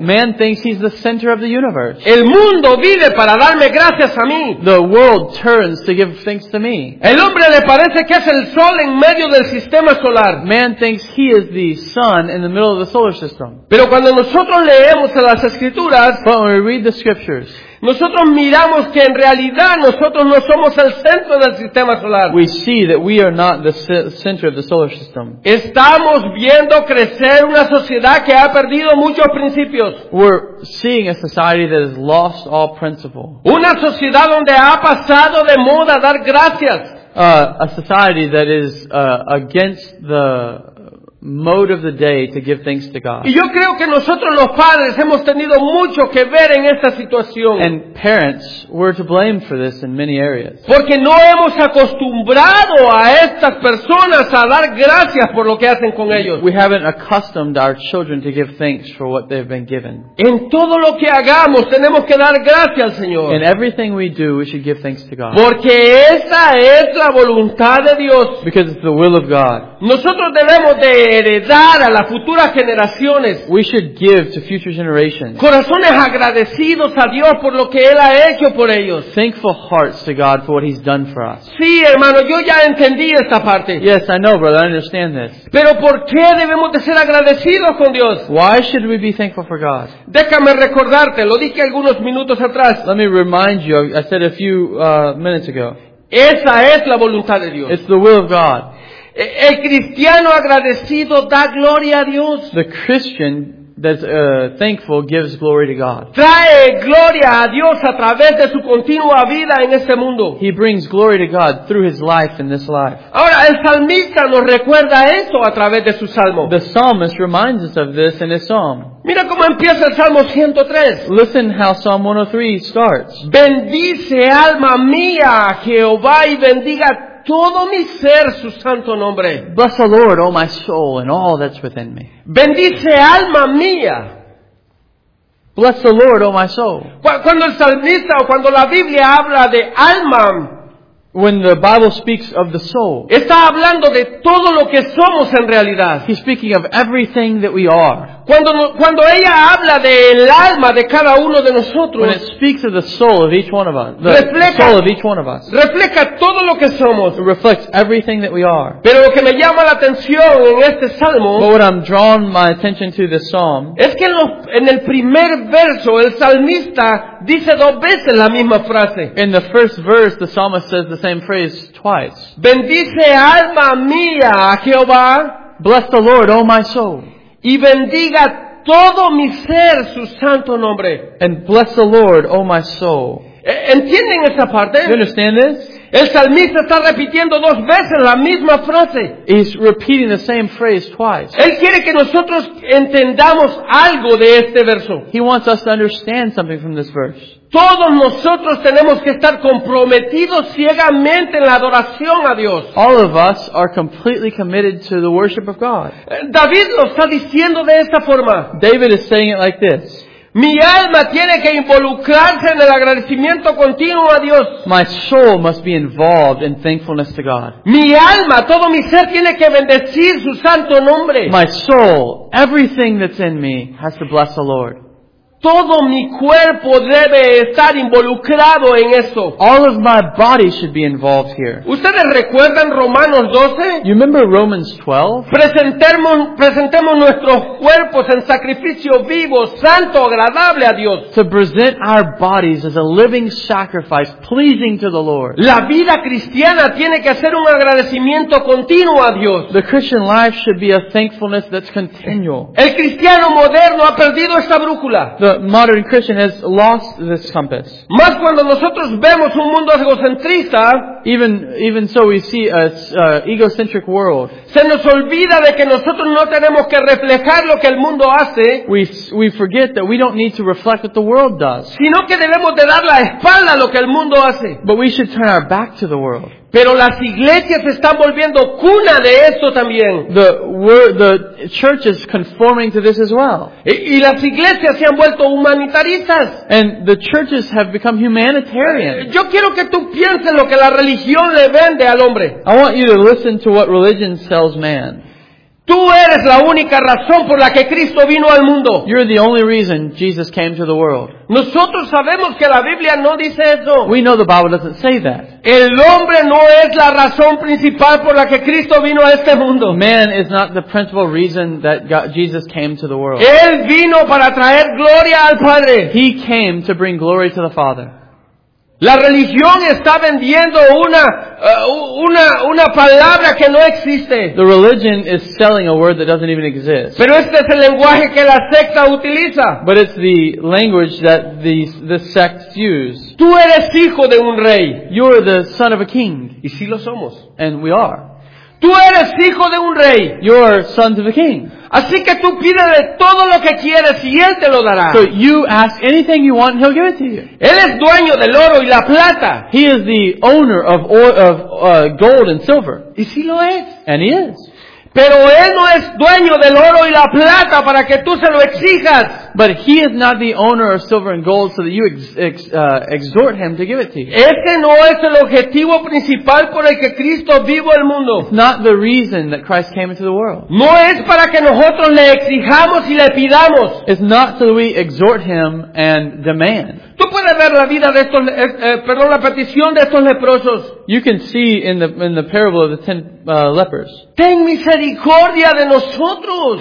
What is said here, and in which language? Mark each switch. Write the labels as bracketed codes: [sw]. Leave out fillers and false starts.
[en] Man thinks he's the center of the universe. [es] El mundo vive para darme gracias a mí. [en] The world turns to give thanks to me. [es] El hombre le parece que es el sol en medio del sistema solar. [en] Man thinks he is the sun in the middle of the solar system. [es] Pero cuando nosotros leemos las escrituras, [en] but when we read the scriptures, [es] nosotros miramos que en realidad nosotros no somos el centro del sistema solar. [en] We see that we are not the center of the solar system. [es] Estamos viendo crecer una sociedad que ha perdido muchos principios. [en] We're seeing a society that has lost all principle. [es] Una sociedad donde ha pasado de moda dar gracias. [en] A society that is against the mode of the day to give thanks to God. [es] Y yo creo que nosotros los padres hemos tenido mucho que ver en esta situación. [en] And parents were to blame for this in many areas. [es] Porque no hemos acostumbrado a estas personas a dar gracias por lo que hacen con ellos. [en] We haven't accustomed our children to give thanks for what they've been given. [es] En todo lo que hagamos tenemos que dar gracias al Señor. [en] In everything we do we should give thanks to God. [es] Porque esa es la voluntad de Dios. [en] Because it's the will of God. [es] Nosotros debemos de heredar a las futuras generaciones. [en] We should give to future generations. [es] Corazones agradecidos a Dios por lo que Él ha hecho por ellos. [en] Thankful hearts to God for what He's done for us. [es] Sí, hermano, yo ya entendí esta parte. [en] Yes, I know, brother, I understand this. [es] Pero ¿por qué debemos de ser agradecidos con Dios? [en] Why should we be thankful for God? [es] Déjame recordarte, lo dije algunos minutos atrás. [en] Let me remind you, I said a few minutes ago. [es] Esa es la voluntad de Dios. [en] It's the will of God. [es] El cristiano agradecido da gloria a Dios. [en] The Christian that's thankful gives glory to God. [es] Trae gloria a Dios a través de su continua vida en este mundo. [en] He brings glory to God through his life in this life. [es] Ahora el salmista nos recuerda esto a través de su salmo. [en] The psalmist reminds us of this in his psalm. [es] Mira cómo empieza el Salmo 103. [en] Listen how Psalm 103 starts. [es] Bendice alma mía Jehová y bendiga todo mi ser su santo nombre. [en] Bless the Lord, oh my soul, and all that's within me. [es] Bendice alma mía. [en] Bless the Lord, oh my soul. [es] Cuando el salmista o cuando la Biblia habla de alma, [en] when the Bible speaks of the soul, [es] está hablando de todo lo que somos en realidad. [en] He's speaking of everything that we are. [es] Cuando ella habla del alma de cada uno de nosotros, [en] when it speaks of the soul of each one of us, the soul of each one of us, [es] refleja todo lo que somos. [en] It reflects everything that we are. [es] Pero lo que me llama la atención en este salmo, [en] but what I'm drawing my attention to this psalm, [es] es que en el primer verso el salmista dice dos veces la misma frase. [en] In the first verse, the psalmist says the same phrase twice. [es] Bendice alma mía a Jehová. [en] Bless the Lord, oh my soul. [es] Y bendiga todo mi ser su santo nombre. [en] And bless the Lord, oh my soul. [es] ¿Entienden esa parte? [en] You understand this? [es] El salmista está repitiendo dos veces la misma frase. [en] He's repeating the same phrase twice. [es] Él quiere que nosotros entendamos algo de este verso. [en] He wants us to understand something from this verse. [es] Todos nosotros tenemos que estar comprometidos ciegamente en la adoración a Dios. [en] All of us are completely committed to the worship of God. [es] David lo está diciendo de esta forma. [en] David is saying it like this. [es] Mi alma tiene que involucrarse en el agradecimiento continuo a Dios. [en] My soul must be involved in thankfulness to God. [es] Mi alma, todo mi ser tiene que bendecir su santo nombre. [en] My soul, everything that's in me has to bless the Lord. [es] Todo mi cuerpo debe estar involucrado en eso. [en] All of my body should be involved here. [es] ¿Ustedes recuerdan Romanos 12? [en] You remember Romans 12? [es] Presentemos nuestros cuerpos en sacrificio vivo, santo, agradable a Dios. [en] To present our bodies as a living sacrifice, pleasing to the Lord. [es] La vida cristiana tiene que ser un agradecimiento continuo a Dios. [en] The Christian life should be a thankfulness that's continual. [es] El cristiano moderno ha perdido esta brújula. [en] The modern Christian has lost this compass. [es] Más cuando nosotros vemos un mundo egocentrista, [en] even so we see a egocentric world. [es] Se nos olvida de que nosotros no tenemos que reflejar lo que el mundo hace. [en] We forget that we don't need to reflect what the world does. [es] Sino que debemos de dar la espalda a lo que el mundo hace. [en] But we should turn our back to the world. [es] Pero las iglesias están volviendo cuna de esto también. [en] The church is conforming to this as well. [es] Y las iglesias se han vuelto humanitaristas. [en] And the churches have become humanitarian. [es] Yo quiero que tú pienses lo que la religión le vende al hombre. [en] I want you to listen to what religion sells man. [es] Tú eres la única razón por la que Cristo vino al mundo. [en] You're the only reason Jesus came to the world. [es] Nosotros sabemos que la Biblia no dice eso. [en] We know the Bible doesn't say that. [es] El hombre no es la razón principal por la que Cristo vino a este mundo. [en] Man is not the principal reason that Jesus came to the world. [es] Él vino para traer gloria al Padre. [en] He came to bring glory to the Father. [es] La religión está vendiendo una palabra que no existe. [en] The religion is selling a word that doesn't even exist. [es] Pero este es el lenguaje que la secta utiliza. [en] But it's the language that the sects use. [es] Tú eres hijo de un rey. [en] You're the son of a king. [es] Y sí lo somos. [en] And we are. [es] Tú eres hijo de un rey. [en] You're sons of a king. [es] Así que tú pídele todo lo que quieres y Él te lo dará. [en] So you ask anything you want and He'll give it to you. [es] Él es dueño del oro y la plata. [en] He is the owner of gold and silver. [es] Y sí lo es. [en] And He is. [es] Pero Él no es dueño del oro y la plata para que tú se lo exijas. [en] But He is not the owner of silver and gold so that you exhort Him to give it to you. [es] Este no es el objetivo principal por el que Cristo vino al mundo. [en] It's not the reason that Christ came into the world. [es] No es para que nosotros le exijamos y le pidamos. [en] It's not so that we exhort Him and demand. [es] Tú puedes ver la vida de estos, la petición de estos leprosos. [en] You can see in the parable of the 10 lepers. [es] Ten misericordia de nosotros.